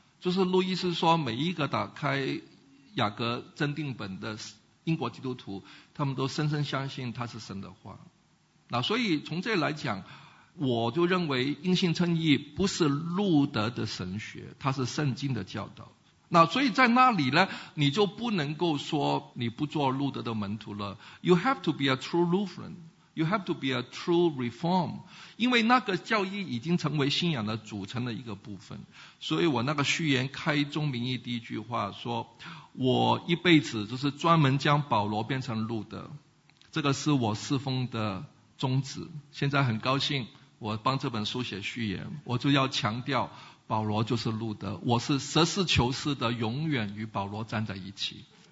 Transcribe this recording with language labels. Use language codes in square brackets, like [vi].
[zh] 就是路易斯说，每一个打开雅各真定本的英国基督徒，他们都深深相信他是神的话。那所以从这来讲，我就认为因信称义不是路德的神学，它是圣经的教导。那所以在那里呢，你就不能够说你不做路德的门徒了。 [en] You have to be a true Lutheran. You have to be a true Reform. [zh] 因为那个教义已经成为信仰的组成的一个部分。所以我那个序言开宗明义第一句话说，我一辈子就是专门将保罗变成路德，这个是我侍奉的宗旨。现在很高兴我帮这本书写序言，我就要强调保罗就是路德，我是舍事求是的永远与保罗站在一起。